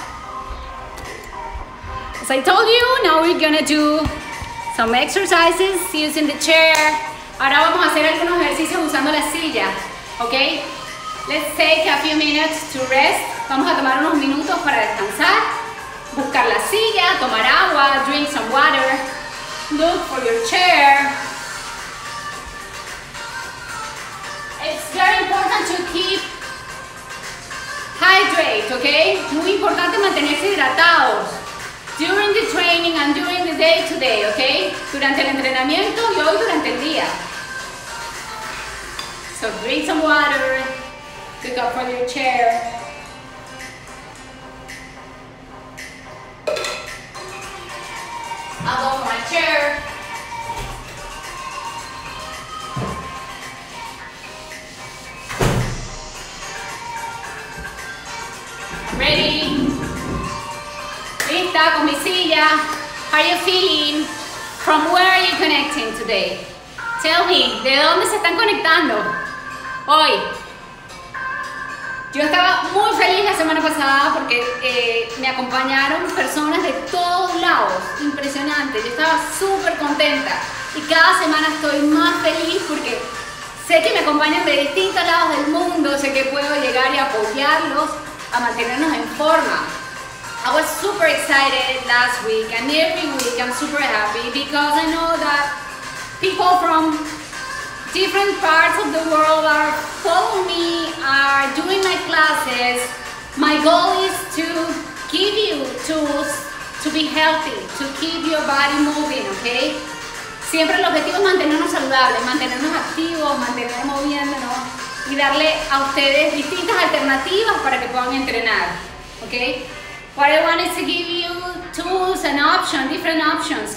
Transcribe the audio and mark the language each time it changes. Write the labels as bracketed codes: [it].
[en] As I told you, now we're gonna do some exercises using the chair. [es] Ahora vamos a hacer algunos ejercicios usando la silla, okay? [en] Let's take a few minutes to rest. [es] Vamos a tomar unos minutos para descansar, buscar la silla, tomar agua, [en] drink some water, look for your chair. It's very important to keep hydrated, okay? [es] Muy importante mantenerse hidratados [en] during the training and during the day to day, okay? [es] Durante el entrenamiento y hoy durante el día. [en] So drink some water. Look up from your chair. I'll go for my chair. Ready. [es] Lista con mi silla. [en] How are you feeling? From where are you connecting today? Tell me, [es] ¿de dónde se están conectando hoy? Yo estaba muy feliz la semana pasada porque me acompañaron personas de todos lados. Impresionante, yo estaba súper contenta. Y cada semana estoy más feliz porque sé que me acompañan de distintos lados del mundo. Sé que puedo llegar y apoyarlos a mantenernos en forma. [en] I was super excited last week and every week I'm super happy because I know that people from different parts of the world are following me, are doing my classes. My goal is to give you tools to be healthy, to keep your body moving, okay? [es] Siempre el objetivo es mantenernos saludables, mantenernos activos, mantenernos moviéndonos y darle a ustedes distintas alternativas para que puedan entrenar, okay? [en] What I want is to give you tools and options, different options.